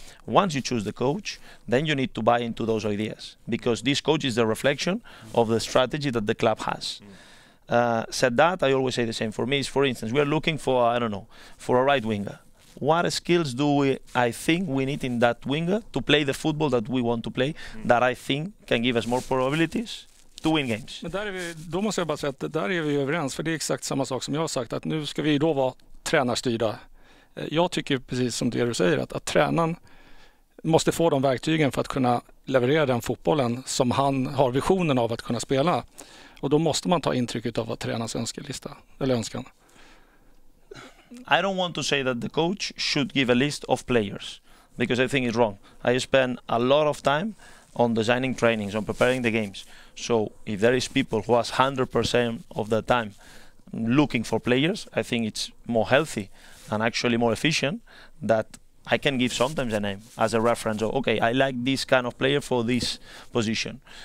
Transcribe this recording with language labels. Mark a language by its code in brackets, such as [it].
[en] Once you choose the coach, then you need to buy into those ideas, because this coach is the reflection of the strategy that the club has. Said that, I always say the same. For me, it's, for instance, we are looking for, I don't know, for a right winger. What skills do I think we need in that winger to play the football that we want to play, that I think can give us more probabilities to win games? [sv] Men där är vi, då måste jag bara säga att där är vi överens, för det är exakt samma sak som jag har sagt, att nu ska vi då vara tränarstyrda. Jag tycker precis som det du säger, att tränaren måste få de verktygen för att kunna leverera den fotbollen som han har visionen av att kunna spela. Och då måste man ta intryck av vad tränarens önskelista eller önskan. [en] I don't want to say that the coach should give a list of players, because I think it's wrong. I spend a lot of time on designing trainings, on preparing the games. So if there is people who has 100% of the time looking for players, I think it's more healthy and actually more efficient that I can give sometimes a name as a reference of, okay, I like this kind of player for this position.